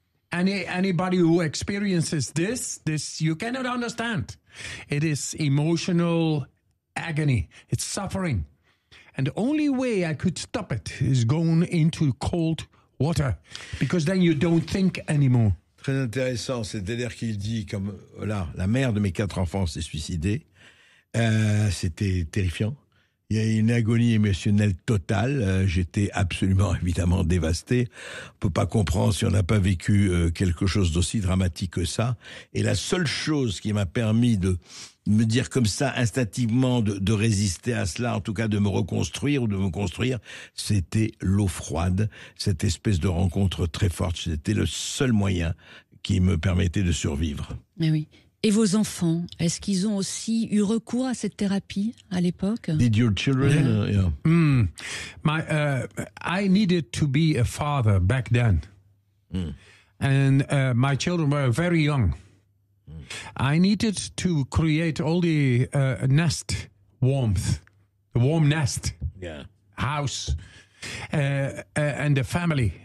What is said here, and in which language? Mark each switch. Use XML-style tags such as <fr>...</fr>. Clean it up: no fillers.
<en>Anybody who experiences this you cannot understand. It is emotional agony, it's suffering. And the only way I could stop it is going into cold water, because then you don't think anymore.</en> <fr>Très intéressant, c'est-à-dire qu'il dit comme là, la mère de mes 4 enfants s'est suicidée, c'était terrifiant, il y a une agonie émotionnelle totale, j'étais absolument évidemment dévasté, on peut pas comprendre si on n'a pas vécu quelque chose d'aussi dramatique que ça, et la seule chose qui m'a permis de me dire comme ça instinctivement de résister à cela, en tout cas de me reconstruire ou de me construire, c'était l'eau froide, cette espèce de rencontre très forte. C'était le seul moyen qui me permettait de survivre. Et oui. Et vos enfants, est-ce qu'ils ont aussi eu recours à cette thérapie à l'époque?</fr> <en>Did your children? Yeah. I needed to be a father back then, and my children were very young. I needed to create all the nest warmth, the warm nest, house, and the family.</en>